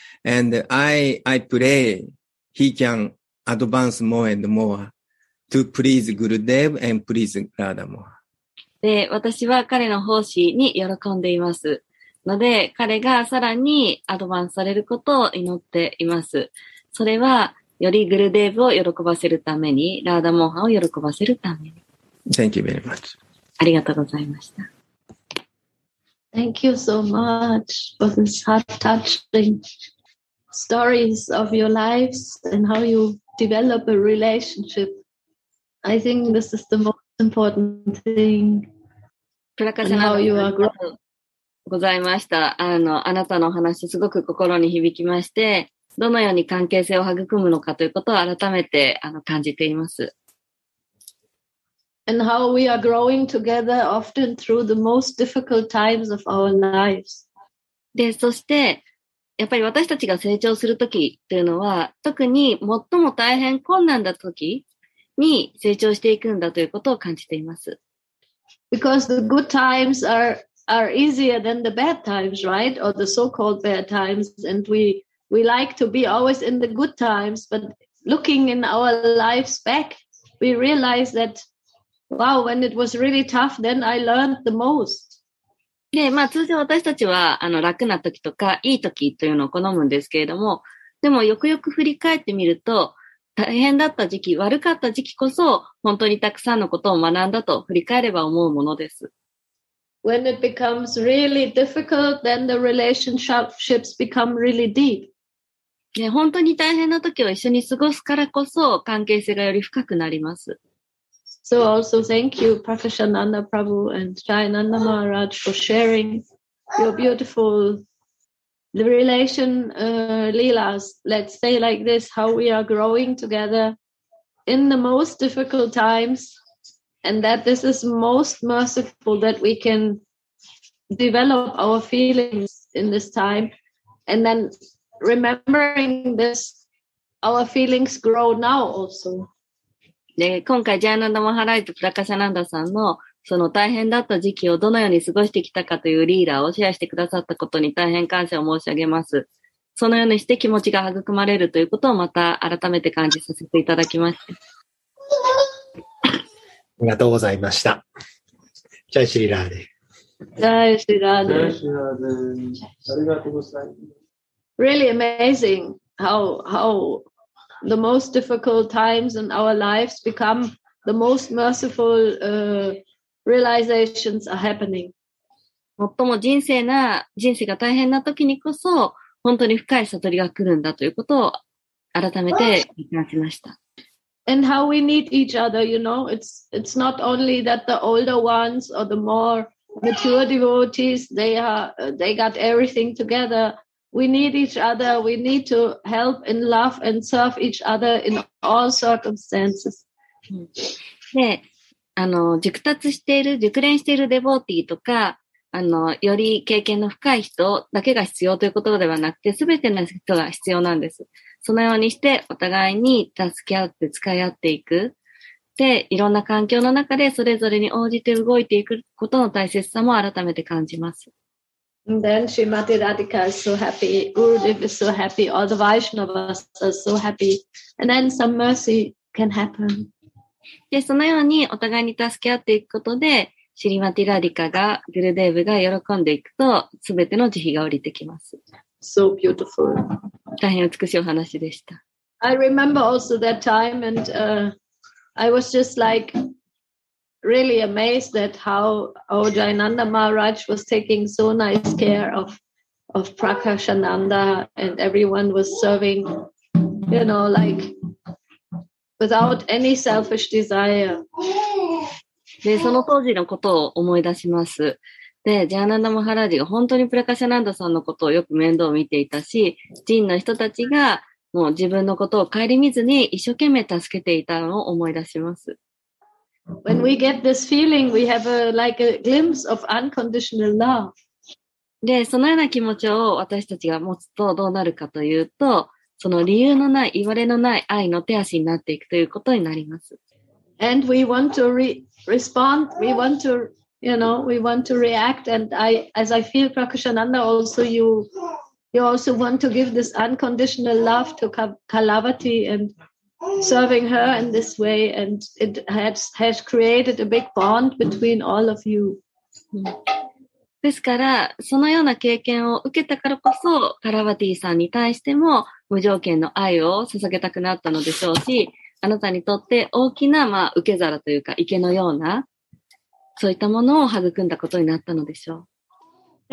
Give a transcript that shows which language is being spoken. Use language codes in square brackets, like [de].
[en] And I pray he can advance more and more to please Gurudev and please Radha more. [ja] で、私は彼の奉仕に喜んでいます。ので、彼がさらにアドバンスされることを祈っています。それは、よりグルデーブを喜ばせるために、ラーダモーハを喜ばせるために。 [en] Thank you very much. [ja] ありがとうございました。 [en] Thank you so much for this heart-touching stories of your lives and how you develop a relationship. I think this is the most important thing. How you are growing. [ja] ございました。あなたの話すごく心に響きまして、どのように関係性を育むのかということを改めて感じています。 [en] And how we are growing together often through the most difficult times of our lives. [ja] で、そして、やっぱり私たちが成長するときというのは、特に最も大変困難なときに成長していくんだということを感じています。 [en] Because the good times are easier than the bad times, right? Or the so-called bad times. And we like to be always in the good times, but looking in our lives back, we realize that, wow, when it was really tough, then I learned the most. [ja] で、まあ通常私たちは楽な時とかいい時というのを好むんですけれども、でもよくよく振り返ってみると、大変だった時期、悪かった時期こそ本当にたくさんのことを学んだと振り返れば思うものです。 [en] When it becomes really difficult, then the relationships become really deep. [ja] 本当に大変な時を一緒に過ごすからこそ関係性がより深くなります。 [en] So also thank you, Prakashananda Prabhu and Jayananda Maharaj for sharing your beautiful relation leelas. Let's say like this, how we are growing together in the most difficult times. And that this is most merciful that we can develop our feelings in this time. And then remembering this, our feelings grow now also. [ja] で、今回、ジャーナンダ・マハライト・プラカシャナンダさんの、その大変だった時期をどのように過ごしてきたかというリーダーをシェアしてくださったことに大変感謝を申し上げます。そのようにして気持ちが育まれるということをまた改めて感じさせていただきました。ありがとうございました。ジャイシリラーデ。ジャイシリラーデ。ありがとうございます。 [en] Really amazing how the most difficult times in our lives become the most merciful realizations are happening. [ja] 最も人生が大変な時にこそ、本当に深い悟りが来るんだということを改めて感じました。 [en] And how we need each other, you know, it's not only that the older ones or the more mature devotees, they got everything together. We need each other. We need to help and love and serve each other in all circumstances. [ja] で、熟達している、熟練しているデボーティーとか、より経験の深い人だけが必要ということではなくて、すべての人が必要なんです。そのようにしてお互いに助け合って使い合っていく。で、いろんな環境の中でそれぞれに応じて動いていくことの大切さも改めて感じます。 [en] And then Srimati Radhika is so happy. Gurudev is so happy. All the Vaishnavas are so happy. And then some mercy can happen. [ja] で、そのようにお互いに助け合っていくことで、シリマティラディカが、グルデーブが喜んでいくと、すべての慈悲が降りてきます。 [en] So beautiful. [ja] 大変美しいお話でした。 [en] I remember also that time and I was just like really amazed at how Jayananda Maharaj was taking so nice care of Prakashananda and everyone was serving, you know, like without any selfish desire. [ja] で、その当時のことを思い出します。で、ジャーナンダ・マハラージが本当にプラカシャナンダさんのことをよく面倒を見ていたし、人の人たちがもう自分のことを顧みずに一生懸命助けていたのを思い出します。 [en] When we get this feeling, we have a, like a glimpse of unconditional love. [ja] で、そのような気持ちを私たちが持つとどうなるかというと、その理由のない、いわれのない愛の手足になっていくということになります。 [en] And we want to respond, we want to, you know, we want to react. And I, as I feel, Prakashananda, also you also want to give this unconditional love to Kalavati and serving her in this way. And it has created a big bond between all of you. [ja] ですから、そのような経験を受けたからこそ、カラバティさんに対しても無条件の愛を捧げたくなったのでしょうし、あなたにとって大きな、まあ、受け皿というか池のようなそういったものを育んだことになったのでしょう。